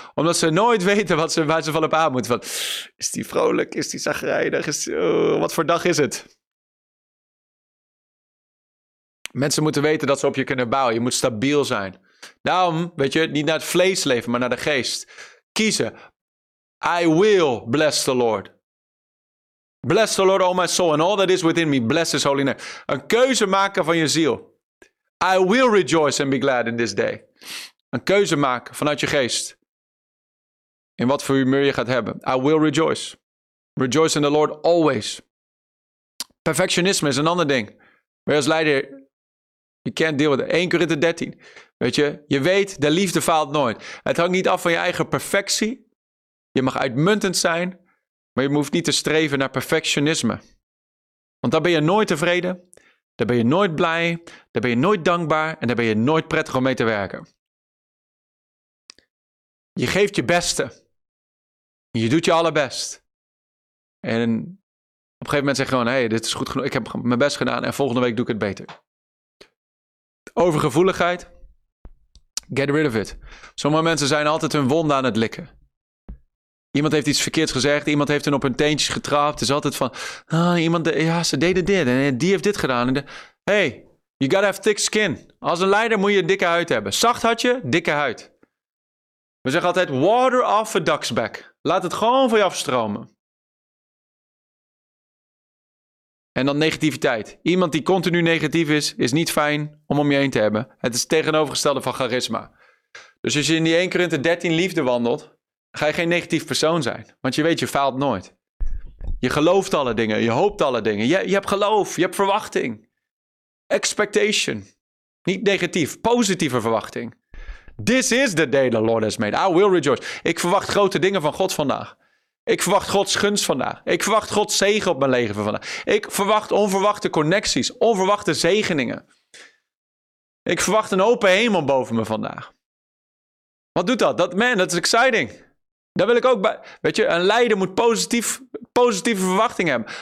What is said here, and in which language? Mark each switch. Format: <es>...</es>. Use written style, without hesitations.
<nl>Omdat ze nooit weten waar ze van op aan moeten. Van, is die vrolijk? Is die chagrijnig? Wat voor dag is het? Mensen moeten weten dat ze op je kunnen bouwen. Je moet stabiel zijn. Daarom, weet je, niet naar het vlees leven, maar naar de geest. Kiezen.</nl> <en>I will bless the Lord. Bless the Lord, all my soul, and all that is within me. Bless his holy name.</en> <nl>Een keuze maken van je ziel.</nl> <en>I will rejoice and be glad in this day.</en> <nl>Een keuze maken vanuit je geest. In wat voor humeur je gaat hebben.</nl> <en>I will rejoice. Rejoice in the Lord always.</en> <nl>Perfectionisme is een ander ding. Maar als leider,</nl> <en>you can't deal with it.</en> <nl>1 Korinther 13. Weet je, je weet, de liefde faalt nooit. Het hangt niet af van je eigen perfectie. Je mag uitmuntend zijn, maar je hoeft niet te streven naar perfectionisme. Want dan ben je nooit tevreden, dan ben je nooit blij, dan ben je nooit dankbaar en dan ben je nooit prettig om mee te werken. Je geeft je beste. Je doet je allerbest. En op een gegeven moment zeg je gewoon, hey, dit is goed genoeg, ik heb mijn best gedaan en volgende week doe ik het beter. Overgevoeligheid.</nl> <en>Get rid of it.</en> <nl>Sommige mensen zijn altijd hun wonden aan het likken. Iemand heeft iets verkeerds gezegd. Iemand heeft hun op hun teentjes getrapt. Het is altijd van... Oh, iemand, ja, ze deden dit. En die heeft dit gedaan.</nl> <en>Hey, you gotta have thick skin.</en> <nl>Als een leider moet je een dikke huid hebben. Zacht had je, dikke huid. We zeggen altijd...</nl> <en>Water off a duck's back.</en> <nl>Laat het gewoon van je afstromen. En dan negativiteit. Iemand die continu negatief is, is niet fijn om je heen te hebben. Het is het tegenovergestelde van charisma. Dus als je in die 1 Korinthe 13 liefde wandelt, ga je geen negatief persoon zijn. Want je weet, je faalt nooit. Je gelooft alle dingen. Je hoopt alle dingen. Je hebt geloof. Je hebt verwachting. Expectation. Niet negatief. Positieve verwachting.</nl> <en>This is the day the Lord has made. I will rejoice.</en> <nl>Ik verwacht grote dingen van God vandaag. Ik verwacht Gods gunst vandaag. Ik verwacht Gods zegen op mijn leven vandaag. Ik verwacht onverwachte connecties, onverwachte zegeningen. Ik verwacht een open hemel boven me vandaag. Wat doet dat? Man, dat is exciting. Daar wil ik ook bij. Weet je, een leider moet positieve verwachtingen hebben.</nl>